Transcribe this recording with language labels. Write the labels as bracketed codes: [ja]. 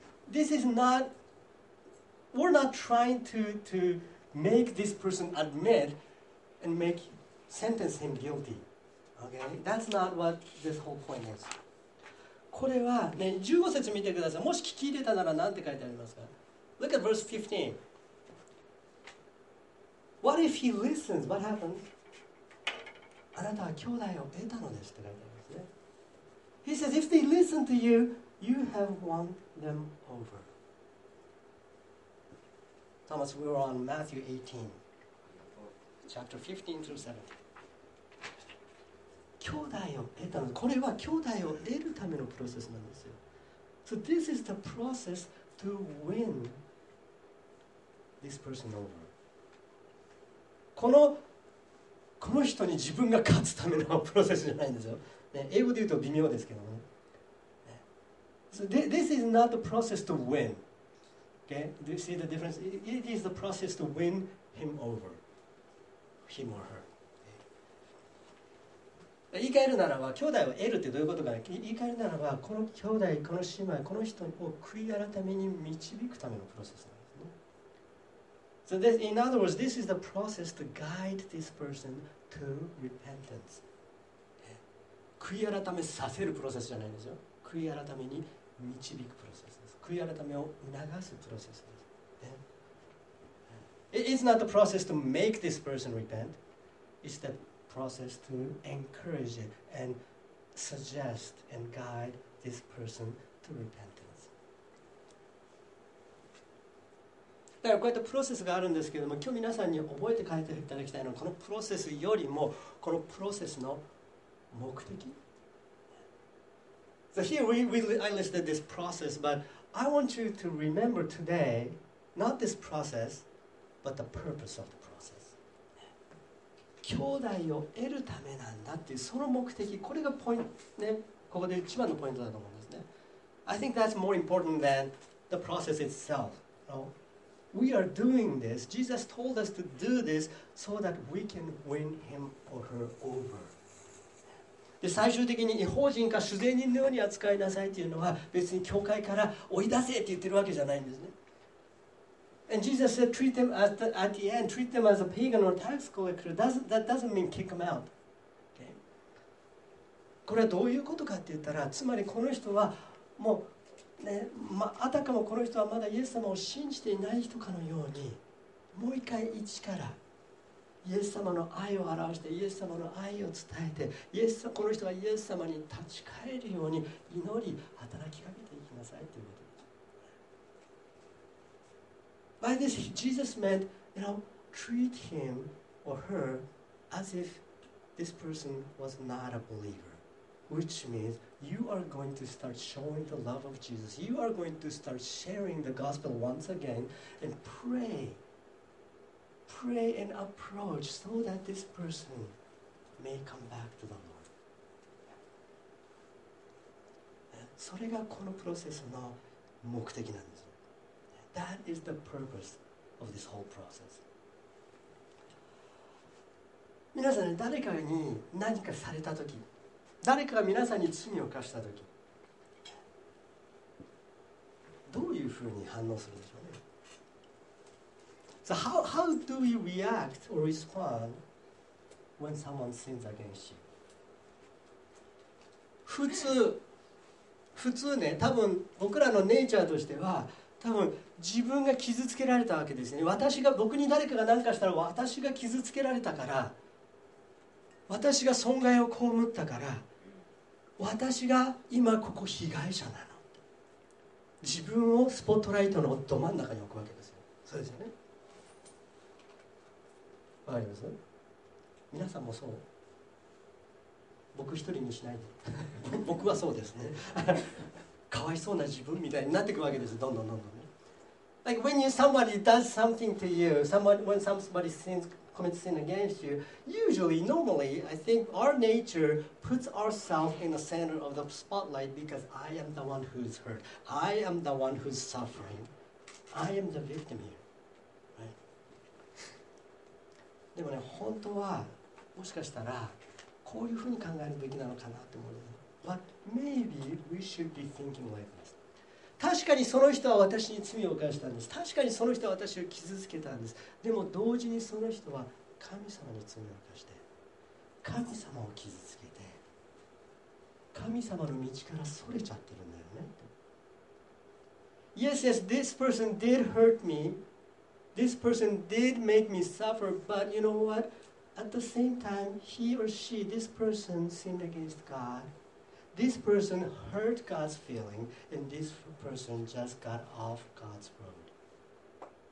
[en] This is not, we're not trying to make this person admit and make sentence him guilty. Okay. That's not what this whole point is. [ja] これはね、15節見てください。もし聞き入れたならなんて書いてありますか。 [en] Look at verse 15. What if he listens? What happens? [ja] あなたは兄弟を得たのですって書いてありますね。 [en] He says, if they listen to you, you have won them over. Thomas, we were on Matthew 18, chapter 15 through 17. [ja] 兄弟を得たの、これは兄弟を得るためのプロセスなんですよ。 [en] So this is the process to win this person over. [ja] この人に自分が勝つためのプロセスじゃないんですよ。ね、英語で言うと微妙ですけどね。ね、 [en] so this is not the process to win. Okay? Do you see the difference? It is the process to win him over. Him or her. [ja] 言い換えるならば、兄弟を得るってどういうことか。言い換えるならば、この兄弟、この姉妹、この人を悔い改めに導くためのプロセスなんですね。 [en] So this, in other words, this is the process to guide this person to repentance. [ja] 悔い改めさせるプロセスじゃないんですよ。悔い改めに導くプロセスです。悔い改めを促すプロセスです。 [en] It is not the process to make this person repent. It's theprocess to encourage it and suggest and guide this person to repentance. [ja] だからこういったプロセスがあるんですけれども、今日皆さんに覚えて帰っていただきたいのは、このプロセスよりもこのプロセスの目的。 [en] So here I listed this process, but I want you to remember today, not this process, but the purpose of the process. [ja] 兄弟を得るためなんだっていう、その目的、これがポイントね、ここで一番のポイントだと思うんですね。 [en] I think that's more important than the process itself. No? We are doing this. Jesus told us to do this so that we can win him or her over. [ja] で、最終的に異邦人か主税人のように扱いなさいっていうのは、別に教会から追い出せって言ってるわけじゃないんですね。 [en] And Jesus said, treat them at the end, treat them as a pagan or tax collector. That doesn't mean kick them out. Okay. [ja] これはどういうことかって言ったら、つまりこの人はもう、ね、あたかもこの人はまだイエス様を信じていない人かのように、もう一回一からイエス様の愛を表して、イエス様の愛を伝えて、イエス、この人がイエス様に立ち返るように祈り、働きかけていきなさいということ。 [en] By this, Jesus meant, you know, treat him or her as if this person was not a believer. Which means you are going to start showing the love of Jesus. You are going to start sharing the gospel once again and pray. Pray and approach so that this person may come back to the Lord. [ja] それがこのプロセスの目的なんです。 [en] That is the purpose of this whole process. [ja] 皆さんね、誰かに何かされたとき、誰かが皆さんに罪を犯したとき、どういうふうに反応するんでしょうね。 [en] So how do we react or respond when someone sins against you? [ja] 普通ね、多分僕らのネイチャーとしては、多分自分が傷つけられたわけですね。僕に誰かが何かしたら私が傷つけられたから、私が損害を被ったから、私が今ここ被害者なの。自分をスポットライトのど真ん中に置くわけですよ。そうですよね。わかります？皆さんもそう。僕一人にしないで。僕はそうですね。かわいそうな自分みたいになっていくわけです。どんどんどんどん、ね。 [en] Like when you, somebody does something to you, somebody, when somebody sins, commits sin against you, usually, normally, I think our nature puts ourselves in the center of the spotlight because I am the one who's hurt. I am the one who's suffering. I am the victim here. [ja] でもね、本当はもしかしたらこういうふうに考えるべきなのかなって思うんです。 [en] But maybe we should be thinking like this. [ja] 確かにその人は私に罪を犯したんです。確かにその人は私を傷つけたんです。でも同時にその人は神様に罪を犯して、神様を傷つけて、神様の道からそれちゃってるんだよね。 [en] Yes, yes, this person did hurt me. This person did make me suffer, but you know what? At the same time, he or she, this person sinned against God. This person hurt God's feeling, and this person just got off God's road.